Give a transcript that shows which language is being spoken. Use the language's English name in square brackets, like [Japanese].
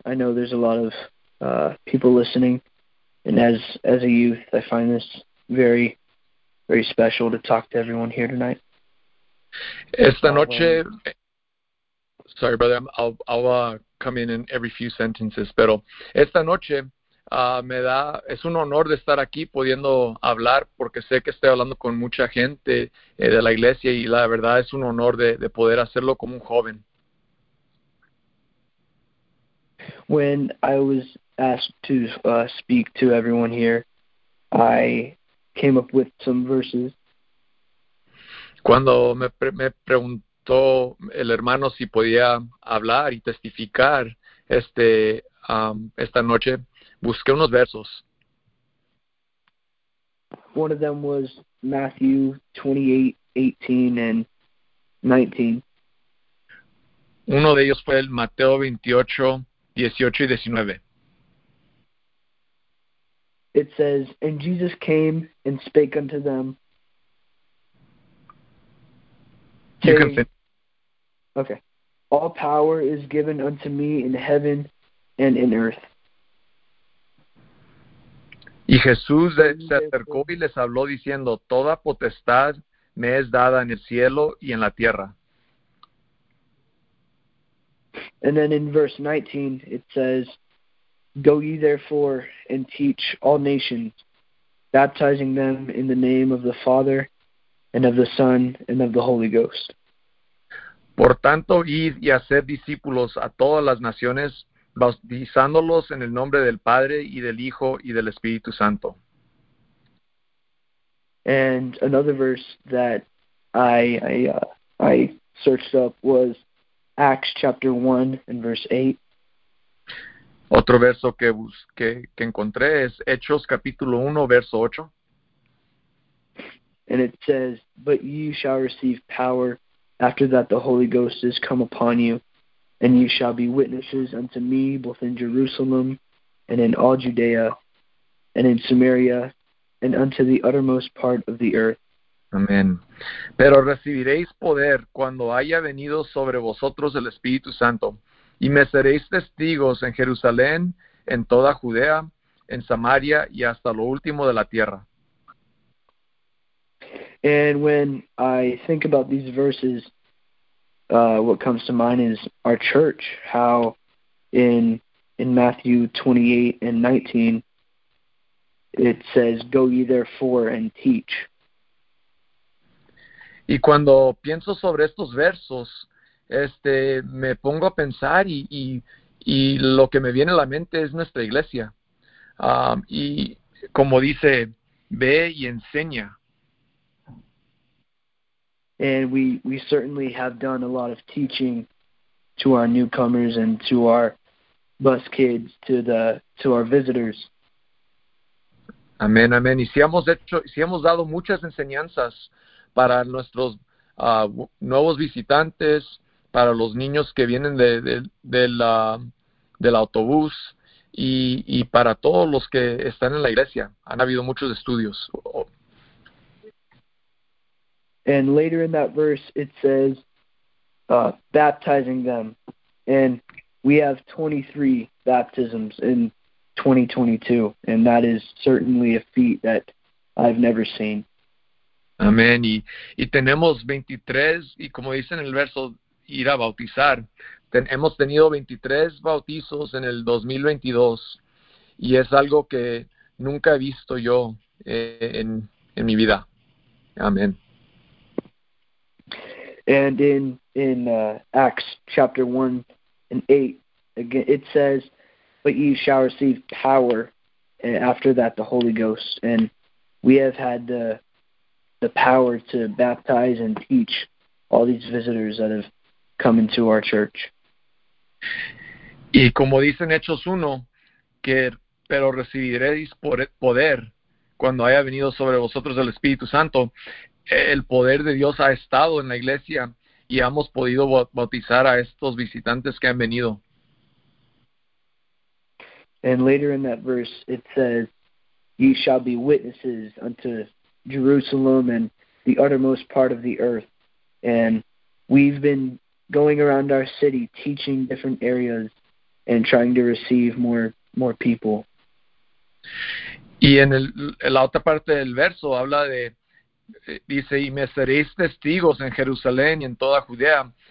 [English] I know there's a lot of people listening. And as a youth, I find this very, very special to talk to everyone here tonight. [Spanish] Esta noche, [English] sorry, brother, I'll come in every few sentences, [Spanish] pero esta noche es un honor de estar aquí pudiendo hablar porque sé que estoy hablando con mucha gente de la iglesia y la verdad es un honor de poder hacerlo como un joven. [English] When I was asked to speak to everyone here, I came up with some verses. [Spanish] Cuando me preguntó el hermano si podía hablar y testificar esta noche, busqué unos versos. [English] One of them was Matthew 28:18 and 19. [Spanish] Uno de ellos fue el Mateo 28:18-19. [English] It says, and Jesus came and spake unto them. You can finish. Okay. All power is given unto me in heaven and in earth. [Spanish] Y Jesús se acercó y les habló diciendo, toda potestad me es dada en el cielo y en la tierra. [English] And then in verse 19, it says, go ye therefore and teach all nations, baptizing them in the name of the Father, and of the Son, and of the Holy Ghost. [Spanish] Por tanto, id y haced discípulos a todas las naciones, bautizándolos en el nombre del Padre, y del Hijo, y del Espíritu Santo. [English] And another verse that I searched up was Acts chapter 1 and verse 8. [Spanish] Otro verso que encontré es Hechos capítulo 1, verso 8. [English] And it says, but ye shall receive power after that the Holy Ghost is come upon you, and ye shall be witnesses unto me both in Jerusalem and in all Judea and in Samaria and unto the uttermost part of the earth. [Spanish] Amén. Pero recibiréis poder cuando haya venido sobre vosotros el Espíritu Santo. Y me seréis testigos en Jerusalén, en toda Judea, en Samaria y hasta lo último de la tierra. [English] And when I think about these verses, what comes to mind is our church, how in Matthew 28 and 19, it says, go ye therefore and teach. [Spanish] Y cuando pienso sobre estos versos, me pongo a pensar y lo que me viene a la mente es nuestra iglesia. Y como dice, ve y enseña. [English] And we certainly have done a lot of teaching to our newcomers and to our bus kids, to our visitors. [Spanish] Amén, amén. Y si hemos dado muchas enseñanzas para nuestros nuevos visitantes, para los niños que vienen del autobús y para todos los que están en la iglesia. Han habido muchos estudios. [English] And later in that verse, it says, baptizing them. And we have 23 baptisms in 2022. And that is certainly a feat that I've never seen. [Spanish] Amén. Y tenemos 23, y como dice en el verso, ir a bautizar. Hemos tenido 23 bautizos en el 2022 y es algo que nunca he visto yo en mi vida. Amén. [English] And in Acts chapter 1 and 8, again, it says, but ye shall receive power after that the Holy Ghost. And we have had the power to baptize and teach all these visitors that have come into our church. [Spanish] Y como dicen Hechos 1, que pero recibiréis poder cuando haya venido sobre vosotros el Espíritu Santo. El poder de Dios ha estado en la iglesia y hemos podido bautizar a estos visitantes que han venido. [English] And later in that verse it says, ye shall be witnesses unto Jerusalem and the uttermost part of the earth. And we've been going around our city teaching different areas and trying to receive more people. [Spanish] Y en la otra parte del verso habla de, dice, y me seréis testigos en Jerusalén y en toda Judea.